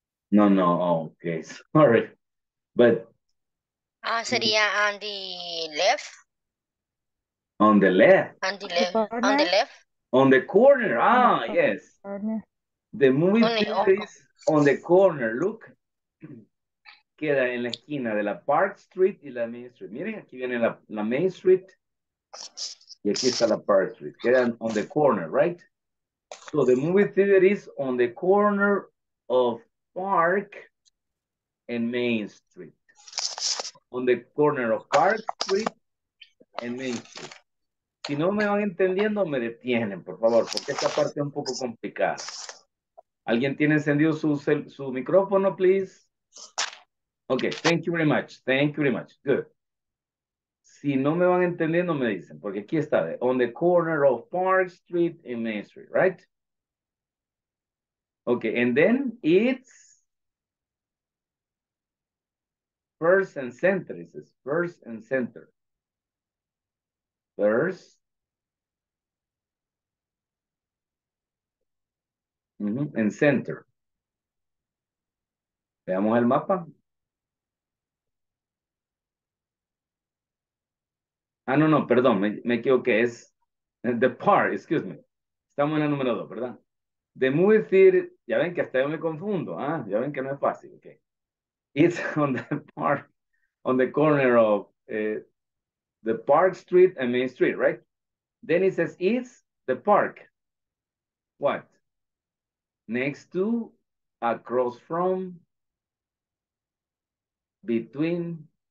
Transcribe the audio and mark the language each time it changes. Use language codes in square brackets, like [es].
[en] No, no, okay, sorry. But. [es] Sería [en] on the left. On the left. On the left. On the left. On the corner, ah, on the yes. Corner. The movie theater is on the corner, look. [es] Queda en la esquina de la Park Street y la Main Street. Miren, aquí viene la Main Street y aquí está la Park Street. Queda [en] on the corner, right? So the movie theater is on the corner of Park and Main Street. On the corner of Park Street and Main Street. [es] Si no me van entendiendo, me detienen, por favor, porque esta parte es un poco complicada. ¿Alguien tiene encendido su micrófono, [en] please? Okay, thank you very much. Thank you very much. Good. [es] Si no me van entendiendo, me dicen, porque aquí está, [en] on the corner of Park Street and Main Street, right? Okay, and then it's First and Center. It says First and Center. And Center. [es] Veamos el mapa. Ah, no, no, perdón, me equivoqué. Es The Park, [en] excuse me. [es] Estamos en el número 2, ¿verdad? [en] The movie theater, [es] ya ven que hasta yo me confundo. Ah, ya ven que no es fácil, ok. [en] It's on the park, on the corner of the Park Street and Main Street, right? Then it says, it's the park. What? Next to, across from, between.